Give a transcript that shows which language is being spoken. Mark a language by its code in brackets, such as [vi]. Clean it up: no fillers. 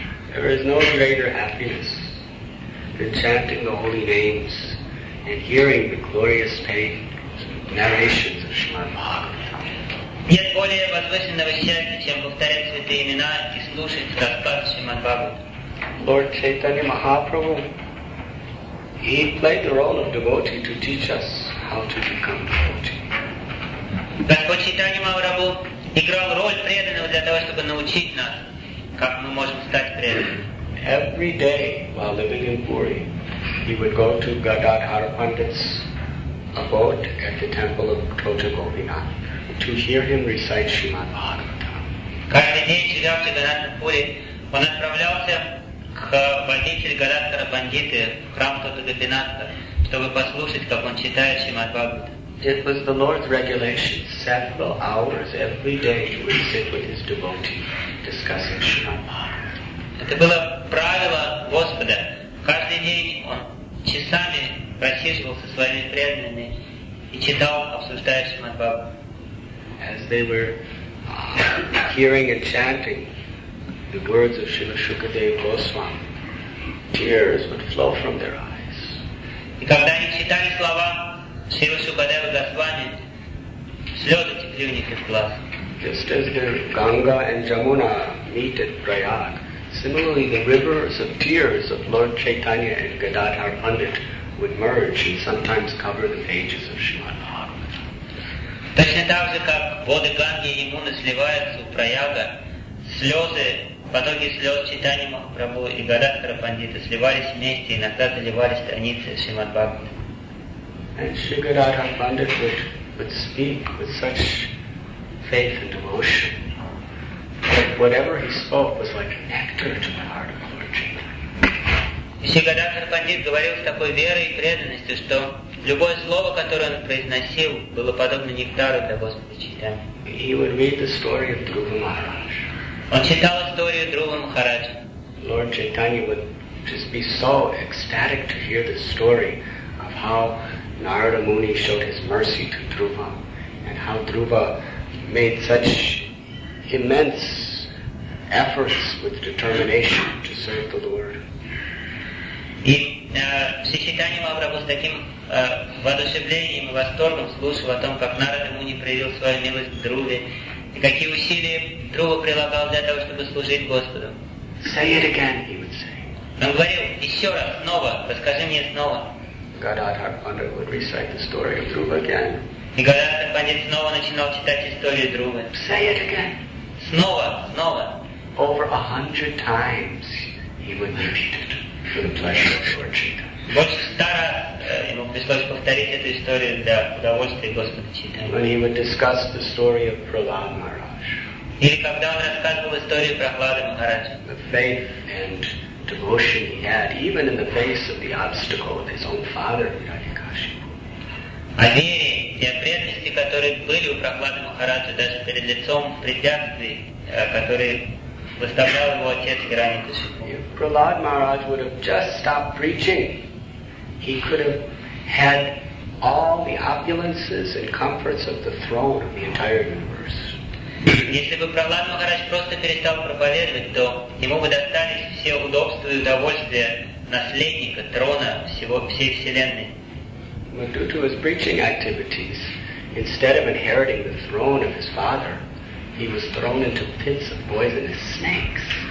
[en] There is no greater happiness than chanting the holy names and hearing the glorious tales and narrations of Srimad Bhagavatam. [ru] Нет более возвышенного счастья, чем повторять святые имена и слушать рассказы Шримад Бхагаватам. [en] Lord Chaitanya Mahaprabhu, he played the role of devotee to teach us how to become devotee. [ru] Господь Чайтанья Махапрабху играл роль преданного для того, чтобы научить нас. Как мы можем стать преданными? [en] Every day while living in Puri, he would go to Gadadhara Pandit's abode at the temple of Tota Gopinath to hear him recite Srimad Bhagavatam. [ru] Каждый день, живя в Гададхара Пури, он отправлялся к водителю Гададхара Пандиты в храм Тота Гопинатха, чтобы послушать, как он читает Шримад Бхагаватам. [en] It was the Lord's regulation. Several hours every day he would sit with his devotee discussing Srimad Bhagavatam. [ru] Это было правило Господа. Каждый день он часами просиживал со своими преданными и читал, обсуждая Шримад Бхагаватам. [en] As they were hearing and chanting the words of Srila Shukadeva Goswami, tears would flow from their eyes. [ru] И когда они читали слова Шрила Шукадева Госвами, слезы текли у них из глаз. [en] Just as the Ganga and Jamuna meet at Prayag, similarly the rivers of tears of Lord Chaitanya and Gadadhar Pandit would merge and sometimes cover the pages of Srimad Bhagavatam. [ru] Точно так же, как воды Ганги и Ямуны сливаются у Праяга, слезы, потоки слез Чайтаньи Махапрабху и Гададхара Пандита сливались вместе, иногда заливались страницы Шримад Бхагаватам. [en] And Sri Gadadhar Pandit would speak with such faith and devotion that whatever he spoke was like nectar to the heart of Lord Chaitanya. [ru] Сигадхартха Пандит говорил с такой верой и преданностью, что любое слово, которое он произносил, было подобно нектару для Господа Чайтанья. Он читал историю Друва Махараджа. [en] Lord Chaitanya would just be so ecstatic to hear the story of how Narada Muni showed his mercy to Dhruva and how Dhruva made such immense efforts with determination to serve the Lord. [ru] И все читания Махапрабху с таким воодушевлением и восторгом слушал о том, как Нарада Муни проявил свою милость к Друве, и какие усилия Друва прилагал для того, чтобы служить Господу. [en] Say it again, he would say. [ru] Он говорил, еще раз, снова, расскажи мне снова. [en] Gadadhar Pandit would recite the story of Dhruva again. [ru] И Gadadhar Pandit снова начинал читать историю Друвы. [en] Say it again. [ru] Снова, снова. [en] Over 100 times he would repeat it. [ru] Больше ста раз ему пришлось повторить эту историю для удовольствия Господа Чайтаньи. [en] When he would discuss the story of Prahlada Maharaj. [ru] Или когда он рассказывал историю Прохлады Махараджа. [en] The faith and devotion he had, even in the face of the obstacle of his own father, Hiranyakashipu. [ru] О вере и о преданности, которые были у Прохлады Махараджа, даже перед лицом препятствий, которые выставлял его отец Hiranyakashipu. [en] Prahlad Maharaj would have just stopped preaching. He could have had all the opulences and comforts of the throne of the entire universe. [ru] Если бы Прохлад Махарадж просто перестал проповедовать, то ему бы достались все удобства и удовольствия наследника трона всей вселенной. [en] But due to his preaching activities, instead of inheriting the throne of his father, he was thrown into pits of poisonous snakes.